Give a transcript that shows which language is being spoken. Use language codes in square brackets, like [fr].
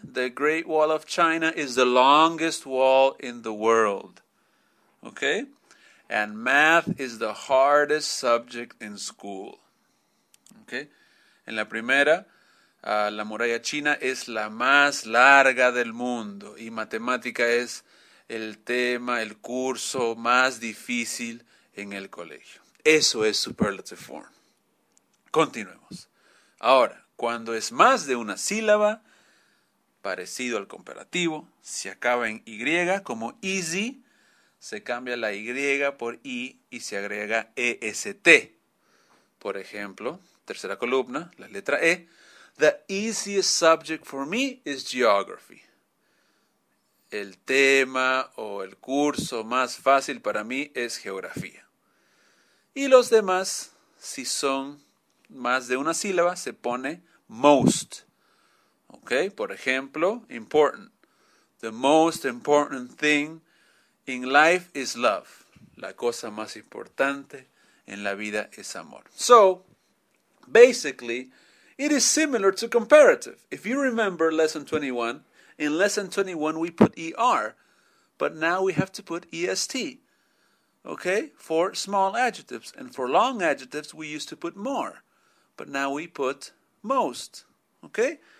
[en] The Great Wall of China is the longest wall in the world. ¿Ok? And math is the hardest subject in school. ¿Ok? [es] En la primera, la muralla china es la más larga del mundo. Y matemática es el tema, el curso más difícil en el colegio. Eso es [en] superlative form. [es] Continuemos. Ahora, cuando es más de una sílaba, parecido al comparativo, se acaba en Y, como easy, se cambia la Y por I y se agrega EST. Por ejemplo, tercera columna, la letra E. [en] The easiest subject for me is geography. [es] El tema o el curso más fácil para mí es geografía. Y los demás, si son más de una sílaba, se pone most. ¿Ok? Por ejemplo, important. [en] The most important thing in life is love. [es] La cosa más importante en la vida es amor. [en] So, basically, it is similar to comparative. If you remember lesson 21, in lesson 21, we put ER, but now we have to put EST, okay, for small adjectives. And for long adjectives, we used to put more, but now we put most, okay?